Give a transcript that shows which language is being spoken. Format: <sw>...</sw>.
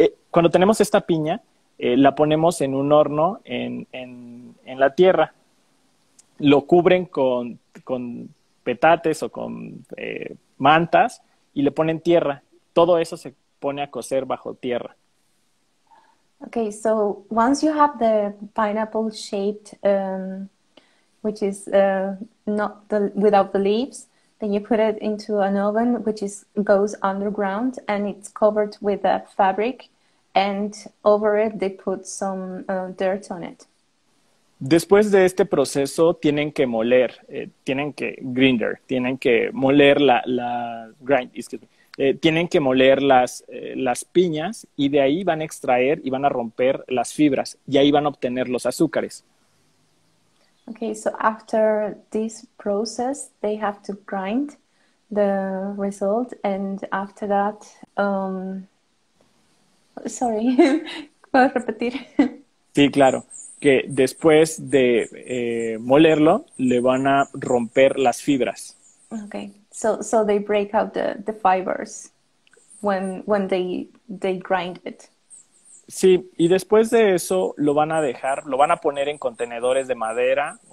<es>Cuando tenemos esta piña, la ponemos en un horno en la tierra. Lo cubren con petates o con mantas y le ponen tierra. Todo eso se pone a cocer bajo tierra.</es> <en>Okay, so once you have the pineapple shaped, which is without the leaves, then you put it into an oven which goes underground and it's covered with a fabric, and over it they put some dirt on it.</en> <es>Después de este proceso tienen que moler, tienen que moler las piñas, y de ahí van a extraer y van a romper las fibras y ahí van a obtener los azúcares.</es> <en>Okay, so after this process they have to grind the result, and after that</en> <es>¿puedo repetir? Sí, claro. Que después de molerlo, le van a romper las fibras.</es> <en>Okay, so they break out the fibers when they grind it.</en> <es>Sí, y después de eso lo van a poner en contenedores de madera.</es>